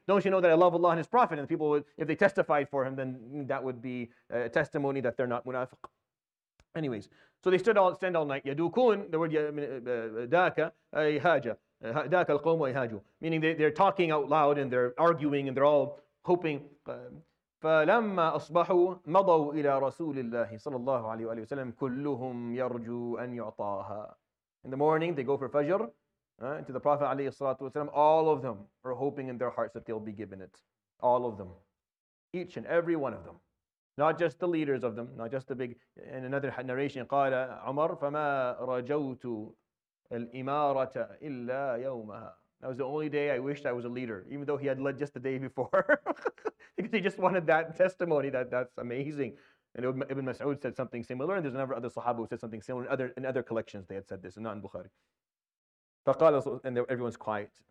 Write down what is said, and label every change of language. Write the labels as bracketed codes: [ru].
[en] Don't you know that I love Allah and His Prophet? And the people would, if they testified for Him, then that would be a testimony that they're not munafiq. Anyways, so they stand all night. Yadukun, the word [ar] daka ayhaja, daka alqom ayhaju, [en] meaning they're talking out loud and they're arguing and they're all hoping. [ar] فلما أصبحوا مضوا إلى رسول الله صلى الله عليه وسلم كلهم يرجو أن يعطاها. [en] In the morning they go for Fajr to the Prophet عليه الصلاة والسلام. All of them are hoping in their hearts that they'll be given it. All of them, each and every one of them, not just the leaders of them, not just the big. In another narration, [ar] قال عمر فما رجوت الإمارة إلا يومها. [en] That was the only day I wished I was a leader, even though he had led just the day before. Because he just wanted that testimony, that's amazing. And Ibn Mas'ud said something similar, and there's another other Sahaba who said something similar in other collections. They had said this, and not in Bukhari. فقال, and everyone's quiet.